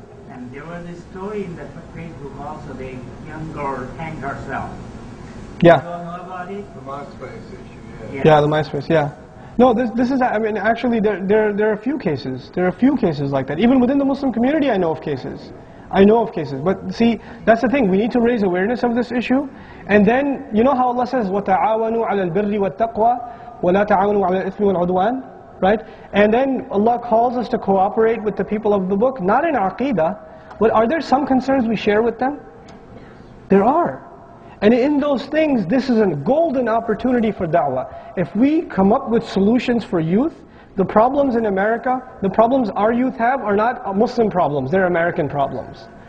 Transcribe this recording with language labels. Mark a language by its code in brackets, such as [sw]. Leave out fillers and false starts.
[en] And there was a story in the Facebook also, the young girl hanged herself. Yeah. Do you know about it? The MySpace issue, yeah. Yeah, the MySpace, yeah. No, this is, I mean, actually, there are a few cases. There are a few cases like that. Even within the Muslim community, I know of cases. I know of cases. But see, that's the thing. We need to raise awareness of this issue. And then, you know how Allah says, [ar] وَتَعَاوَنُوا عَلَى الْبِرِّ وَالتَّقْوَى وَلَا تَعَاوَنُوا عَلَى الْإِثْمِ وَالْعُدْوَانِ. [en] Right? And then Allah calls us to cooperate with the people of the book, not in aqidah, but are there some concerns we share with them? There are. And in those things, this is a golden opportunity for da'wah. If we come up with solutions for youth, the problems in America, the problems our youth have are not Muslim problems, they're American problems.